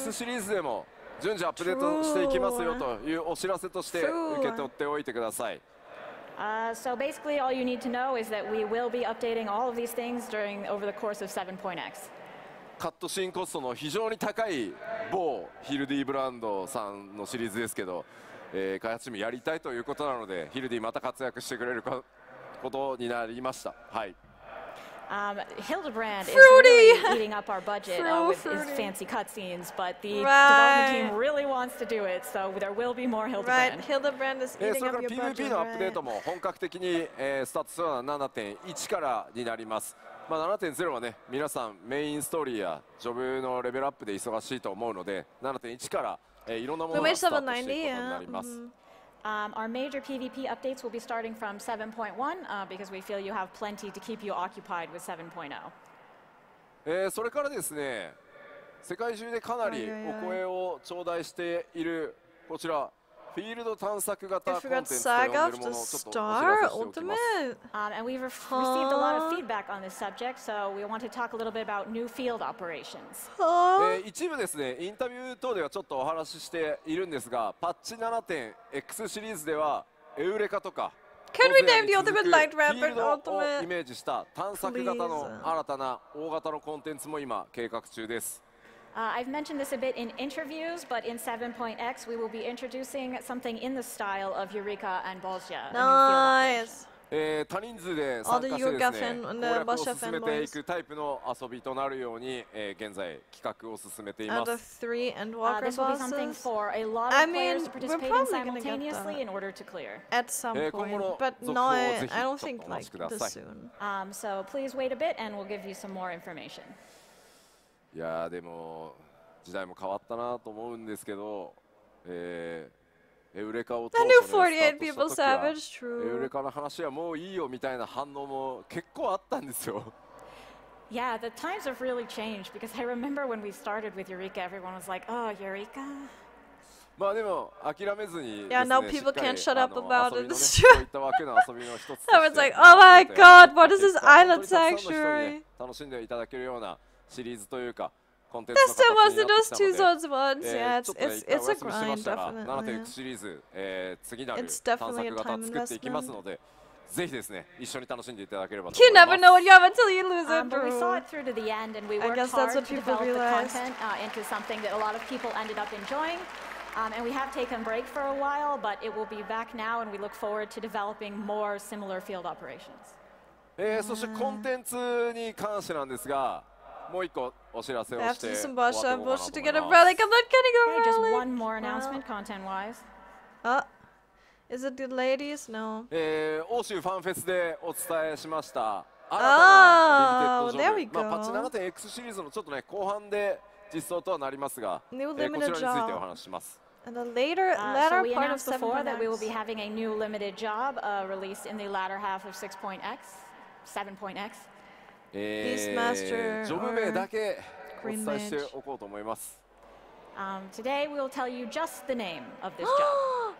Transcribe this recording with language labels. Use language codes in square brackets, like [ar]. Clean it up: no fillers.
[ja] X シリーズでも順次アップデートしていきますよというお知らせとして受け取っておいてください。 [en] So basically all you need to know is that we will be updating all of these things during over the course of 7.x. [ja] カットシーンコストの非常に高い某ヒルディブランドさんのシリーズですけど、開発チームやりたいということなので、ヒルディまた活躍してくれることになりました。はい。 [en] Hildebrand is really eating up our budget with his fancy cutscenes, but the development team really wants to do it, so there will be more Hildebrand. Right, Hildebrand is eating up your budget. [ja] PVP のアップデートも本格的にスタートするのは 7.1 からになります。まあ、7.0 はね、皆さんメインストーリーやジョブのレベルアップで忙しいと思うので、7.1 からいろんなものがスタートしていくことになります。 [en] Our major PvP updates will be starting from 7.1, because we feel you have plenty to keep you occupied with 7.0. [ja] それからですね、世界中でかなりお声を頂戴しているこちら、フィールド探索型コンテンツと呼んでいるものをちょっとお知らせしておきます。 [en] And we've received a lot of feedback on this subject, so we want to talk a little bit about new field operations. [ja] 一部ですね、インタビュー等ではちょっとお話ししているんですが、パッチ 7.X シリーズではエウレカとか、 [en] Can we name the ultimate light rampant ultimate? [ja] フィールドをイメージした探索型の新たな大型のコンテンツも今計画中です。 [en] I've mentioned this a bit in interviews, but in 7.x, we will be introducing something in the style of Eureka and Bolsja. Nice! [ja] 多人数で参加してですね、攻略を進めていくタイプの遊びとなるように、現在企画を進めています。 [en] And the three Endwalker bosses? This will be something for a lot of players participating simultaneously in order to clear. At some point, but not, I don't think like this soon. So please wait a bit and we'll give you some more information. [ja] いやでも時代も変わったなと思うんですけど、エウレカを通してスタートした時はエウレカの話はもういいよみたいな反応も結構あったんですよ。 [en] Yeah, the times have really changed because I remember when we started with Eureka, everyone was like, oh, Eureka. [ja] まあでも諦めずに、 [en] Yeah, now people can't shut up about it. [ja] そういったわけの遊びの一つ。 [en] I was like, oh my god, what is this island sanctuary? [ja] 楽しんでいただけるようなシリーズというかコンテンツの形になってきたので、ちょっと一旦お休みしましたが、7.1 シリーズ、次なる探索型を作っていきますので、ぜひですね、一緒に楽しんでいただければと思います。 [en] You never know what you have until you lose it. But we saw it through to the end, and we worked hard to develop the content into something that a lot of people ended up enjoying. And we have taken a break for a while, but it will be back now, and we look forward to developing more similar field operations. [ja] そしてコンテンツに関してなんですが。もう一個お知らせをして終わってもらおうかな。 [en] I'm like, I'm not getting a relic. Just one more announcement, content-wise. Is it good, ladies? No. [ja] 欧州ファンフェスでお伝えしました。 [en] Oh, there we go. [ja] パッチ 7.X シリーズのちょっとね後半で実装とはなりますが、こちらについてお話します。 [en] And the latter part of 7.X that we will be having a new limited job released in the latter half of 6.X, 7.X. [ja] ジョブ名だけお伝えしておこうと思います。 [en] Today we will tell you just the name of this job.